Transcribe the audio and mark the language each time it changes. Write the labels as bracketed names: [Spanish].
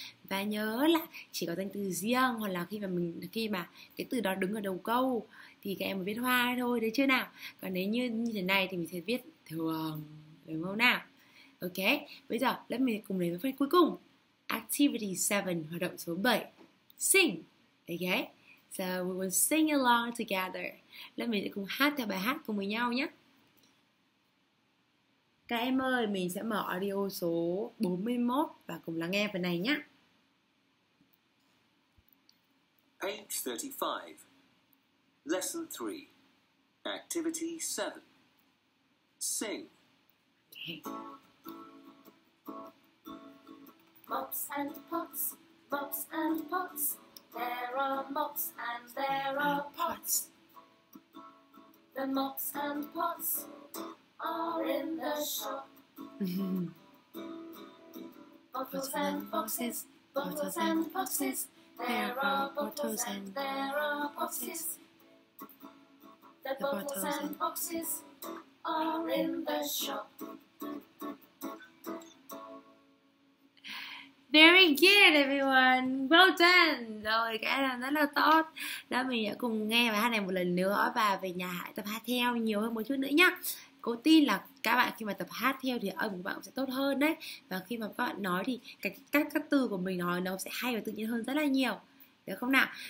[Vietnamese] Và nhớ là chỉ có danh từ riêng, hoặc là khi mà cái từ đó đứng ở đầu câu thì các em viết hoa thôi, đấy chưa nào. Còn nếu như thế này thì mình sẽ viết thường, đúng không nào? Ok, bây giờ lớp mình cùng đến với phần cuối cùng. [English] Activity 7, [Vietnamese] hoạt động số 7. [English] Sing. Ok, so we will sing along together. [Vietnamese] Lớp mình sẽ cùng hát theo bài hát cùng với nhau nhé. Các em ơi, mình sẽ mở audio số 41 và cùng lắng nghe phần này nhé. [English] Page 35, Lesson 3, Activity 7. Sing. Mops and pots, mops and pots. There are mops and there are pots. The mops and pots are in the shop. Bottles and boxes, bottles and boxes. There are bottles and there are boxes. The bottles and boxes are in the shop. Very good everyone, well done. [Vietnamese] Rồi các em làm rất là tốt. Đó, mình đã cùng nghe bài hát này một lần nữa và về nhà hãy tập hát theo nhiều hơn một chút nữa nhá. Cô tin là các bạn khi mà tập hát theo thì âm của bạn cũng sẽ tốt hơn đấy. Và khi mà các bạn nói thì các từ của mình nói nó sẽ hay và tự nhiên hơn rất là nhiều, được không nào?